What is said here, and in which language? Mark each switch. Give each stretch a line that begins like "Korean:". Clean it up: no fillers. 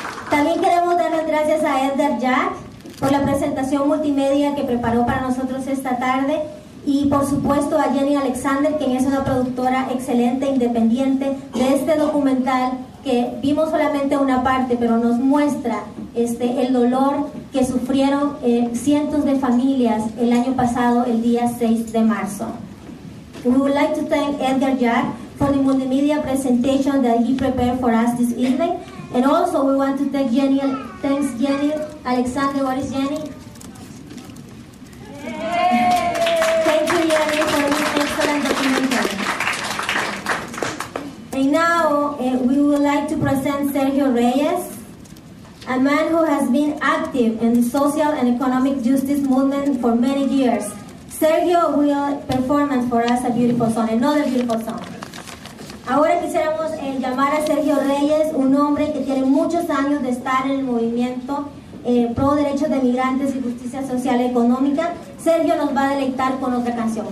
Spanish: También queremos dar las gracias a Edgar Jack por la presentación multimedia que preparó para nosotros esta tarde, y por supuesto a Jenny Alexander, quien es una productora excelente e independiente de este documental, que vimos solamente una parte, pero nos muestra el dolor que sufrieron cientos de familias el año pasado, el día 6 de marzo.
English: We would like to thank Edgar Jack for the multimedia presentation that he prepared for us this evening. And also, we want to thank Jenny. Thanks, Jenny. Alexander, what is Jenny? Thank you, Jenny, for this excellent documentary. And now, we would like to present Sergio Reyes, a man who has been active in the social and economic justice movement for many years. Sergio will perform for us a beautiful song, another beautiful song.
Spanish: Ahora quisiéramos llamar a Sergio Reyes, un hombre que tiene muchos años de estar en el movimiento pro derechos de migrantes y justicia social y económica. Sergio nos va a deleitar con otra canción.